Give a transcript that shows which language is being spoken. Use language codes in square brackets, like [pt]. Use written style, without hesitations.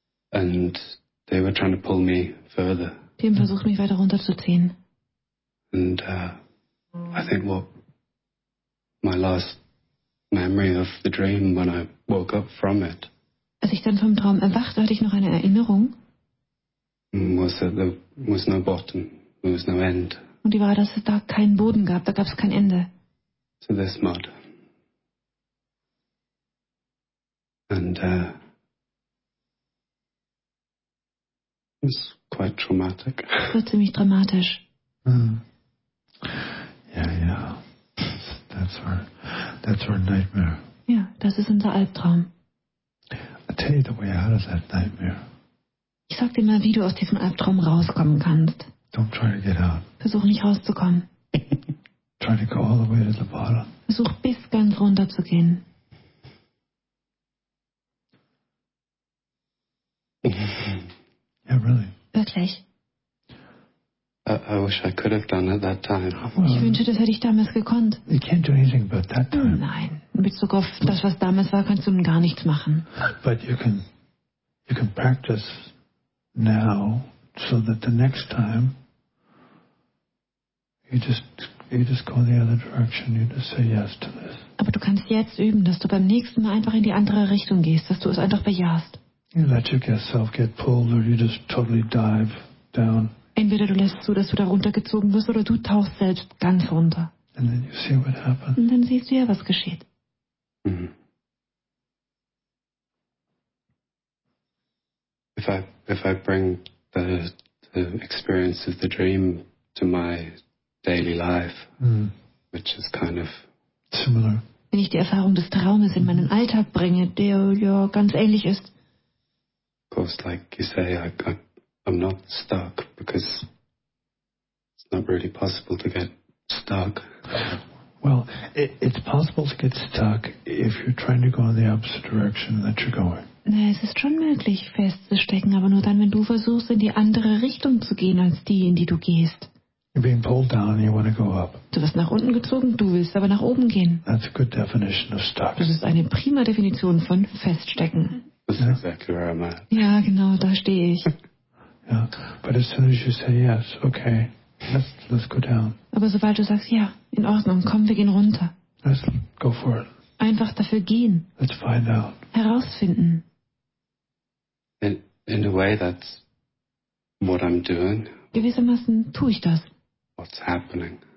[en] And they were trying to pull me further. [de] Die haben versucht, mich weiter runterzuziehen. [en] And I think what my last memory of the dream when I woke up from it. [de] Als ich dann vom Traum erwachte, hatte ich noch eine Erinnerung. [en] Was that there was no bottom, there was no end. [de] Und die war, dass es da keinen Boden gab, da gab es kein Ende. [en] So this mud. And it was quite traumatic. [de] Das war ziemlich dramatisch. [en] Yeah. That's our nightmare. [de] Ja, das ist unser Albtraum. [en] I tell you the way out of that nightmare. [de] Ich sag dir mal, wie du aus diesem Albtraum rauskommen kannst. [en] Don't try to get out. [de] Versuch nicht rauszukommen. [en] Try to go all the way to the bottom. [de] Versuch bis ganz runter zu gehen. [en] Yeah, really. [de] Wirklich. [en] I wish I could have done it that time. [de] Ich wünschte, das hätte ich damals gekonnt. [en] You can't do anything about that time. [de] Nein, in Bezug auf das, was damals war, kannst du nun gar nichts machen. [en] But you can practice now, so that the next time you just go the other direction, you just say yes to this. [de] Aber du kannst jetzt üben, dass du beim nächsten Mal einfach in die andere Richtung gehst, dass du es einfach bejahst. [en] You let yourself get pulled, or you just totally dive down. [de] Entweder du lässt zu, dass du da runtergezogen wirst, oder du tauchst selbst ganz runter. [en] And then you see what happens. [de] Und dann siehst du ja, was geschieht. [en] If I bring the experience of the dream to my daily life, which is kind of similar. [de] Wenn ich die Erfahrung des Traumes in meinen Alltag bringe, der ja ganz ähnlich ist. [en] Of course, like you say, I'm not stuck, because it's not really possible to get stuck. Well, it's possible to get stuck if you're trying to go in the opposite direction that you're going. [de] Nee, es ist schon möglich, festzustecken, aber nur dann, wenn du versuchst, in die andere Richtung zu gehen, als die, in die du gehst. [en] You're being pulled down, you want to go up. [de] Du wirst nach unten gezogen, du willst aber nach oben gehen. [en] That's a good definition of stuck. [de] Das ist eine prima Definition von feststecken. [en] That's exactly where I'm at. [de] Ja, genau, da stehe ich. [en] Yeah. But as soon as you say yes, okay, let's go down. [de] Aber sobald du sagst, ja, in Ordnung, komm, wir gehen runter. [en] Let's go for it. [de] Einfach dafür gehen. [en] Let's find out. [de] Herausfinden. [en] In a way, that's what I'm doing. [de] Gewissermaßen tue ich das. [en] What's happening?